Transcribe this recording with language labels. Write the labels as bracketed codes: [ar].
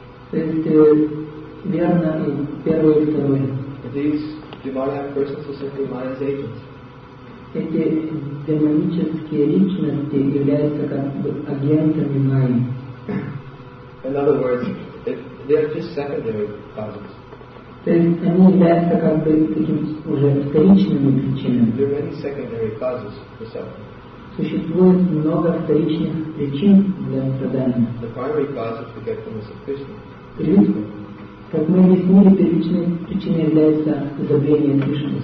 [ru] То есть, верно и первое, и второе. [en] These demonic persons are simply Maya's agents. [ru] Эти демонические личности являются как бы агентами Майи. [en] In other words, they are just secondary causes. [ru] То есть они являются как бы таким уже вторичными причинами. [en] There are many secondary causes for suffering. [ru] Существует много вторичных причин для страдания. [en] The primary cause is forgetfulness of Krishna. [ru] Как мы объяснили, первичной причиной является забвение Кришны.